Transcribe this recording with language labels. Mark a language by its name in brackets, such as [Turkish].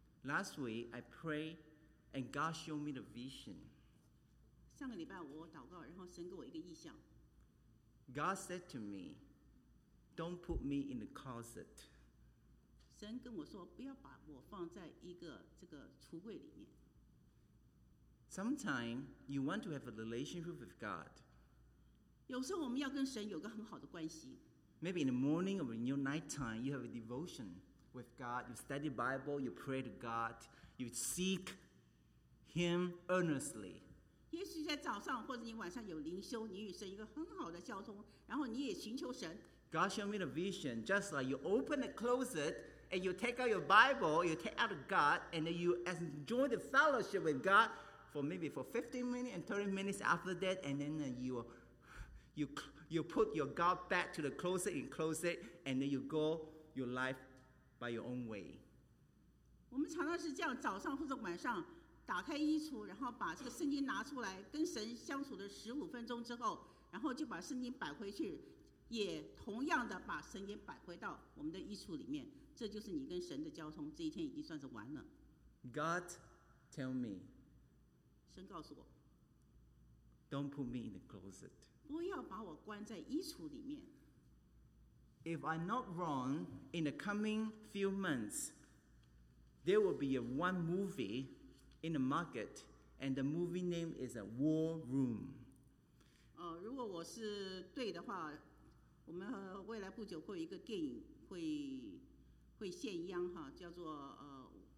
[English] Last week, I prayed and God showed me the vision. [Chinese] 上个礼拜我祷告，然后神给我一个意象。 [English] God said to me, don't put me in the closet. [Chinese] 神跟我说，不要把我放在一个这个橱柜里面。 [English] Sometimes you want to have a relationship with God. [Chinese] 有时候我们要跟神有个很好的关系。 [English] Maybe in the morning or in your night time, you have a devotion with God. You study Bible, you pray to God, you seek Him earnestly. [Chinese] 也许在早上或者你晚上有灵修，你与神一个很好的交通，然后你也寻求神。 [English] God showed me the vision, just like you open a closet and you take out your Bible, you take out God, and then you enjoy the fellowship with God for maybe for 15 minutes and 30 minutes after that, and then you put your God back to the closet and close it, and then you go your life by your own way. [Chinese] 我们常常是这样，早上或者晚上打开衣橱，然后把这个圣经拿出来，跟神相处的15分钟之后，然后就把圣经摆回去，也同样的把神也摆回到我们的衣橱里面，这就是你跟神的交通，这一天已经算是完了。 [English] God tell me, [Chinese] 神告诉我， [English] Don't put me in the closet, [Chinese] 不要把我关在衣橱里面。 [English] If I'm not wrong, in the coming few months there will be a one movie in the market, and the movie name is a War Room. [Chinese] 如果我是对的话，我们未来不久会有一个电影会现央哈，叫做